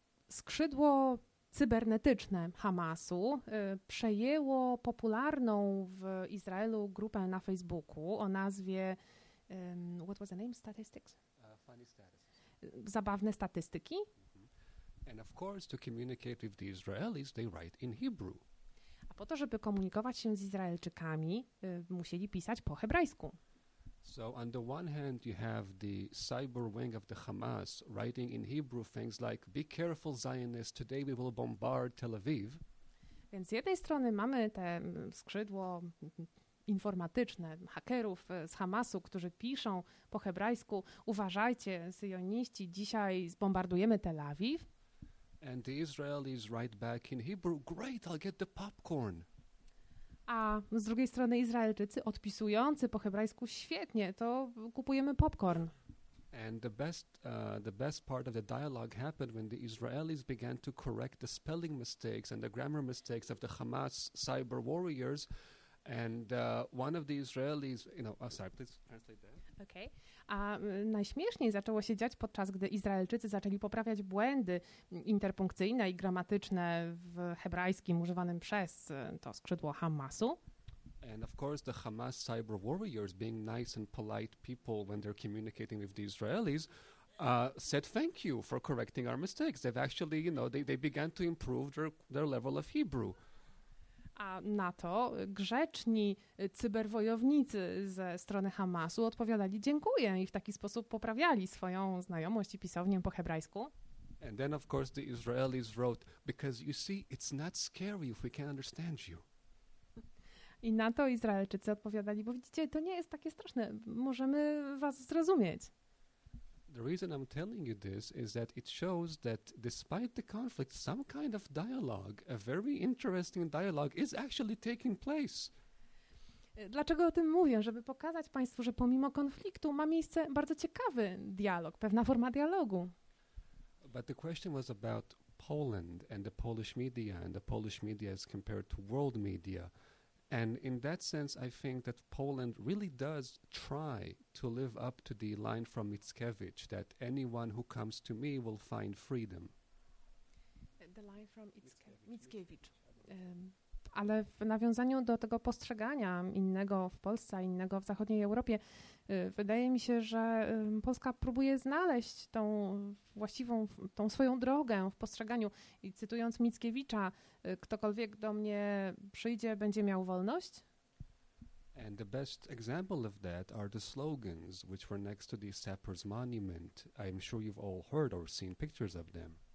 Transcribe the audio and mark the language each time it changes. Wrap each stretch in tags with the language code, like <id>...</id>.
<pl>Skrzydło cybernetyczne Hamasu przejęło popularną w Izraelu grupę na Facebooku o nazwie</pl> <en>what was the name? Statistics? Funny Statuses.</en> <pl>Zabawne statystyki.</pl> <en>And of course, to communicate with the Israelis, they write in Hebrew.</en> <pl>A po to, żeby komunikować się z Izraelczykami, musieli pisać po hebrajsku.</pl> <en>So on the one hand, you have the cyber wing of the Hamas writing in Hebrew things like, "Be careful, Zionists, today we will bombard Tel Aviv."</en> <pl>Więc z jednej strony mamy te skrzydło informatyczne, hakerów z Hamasu, którzy piszą po hebrajsku, uważajcie, syjoniści, dzisiaj zbombardujemy Tel Aviv.</pl> <en>And the Israelis write back in Hebrew, great, I'll get the popcorn.</en> <pl>A z drugiej strony Izraelczycy odpisujący po hebrajsku, świetnie, to kupujemy popcorn.</pl> <en>And the best part of the dialogue happened when the Israelis began to correct the spelling mistakes and the grammar mistakes of the Hamas cyber warriors. And one of the Israelis, please translate that. Okay.</en> <pl>A najśmieszniej zaczęło się dziać podczas, gdy Izraelczycy zaczęli poprawiać błędy interpunkcyjne i gramatyczne w hebrajskim używanym przez to skrzydło Hamasu.</pl> <en>And of course the Hamas cyber warriors, being nice and polite people when they're communicating with the Israelis, said thank you for correcting our mistakes. They've actually, they began to improve their level of Hebrew.</en> <pl>A na to grzeczni cyberwojownicy ze strony Hamasu odpowiadali dziękuję i w taki sposób poprawiali swoją znajomość i pisownię po hebrajsku.</pl> <en>And then of course the Israelis wrote, because you see, it's not scary if we can understand you.</en> <pl>I na to Izraelczycy odpowiadali, bo widzicie, to nie jest takie straszne, możemy was zrozumieć.</pl> <en>The reason I'm telling you this is that it shows that despite the conflict, some kind of dialogue, a very interesting dialogue, is actually taking place.</en> <pl>Dlaczego o tym mówię? Żeby pokazać Państwu, że pomimo konfliktu ma miejsce bardzo ciekawy dialog, pewna forma dialogu.</pl> <en>But the question was about Poland and the Polish media, and the Polish media is compared to world media. And in that sense, I think that Poland really does try to live up to the line from Mickiewicz, that anyone who comes to me will find freedom. The line from Mickiewicz.</en> <pl>Ale w nawiązaniu do tego postrzegania innego w Polsce, innego w zachodniej Europie, wydaje mi się, że Polska próbuje znaleźć tą właściwą, tą swoją drogę w postrzeganiu. I cytując Mickiewicza, ktokolwiek do mnie przyjdzie, będzie miał wolność?</pl> <en>And the best example of that are the slogans, which were next to the Sapper's Monument. I'm sure you've all heard or seen pictures of them.</en>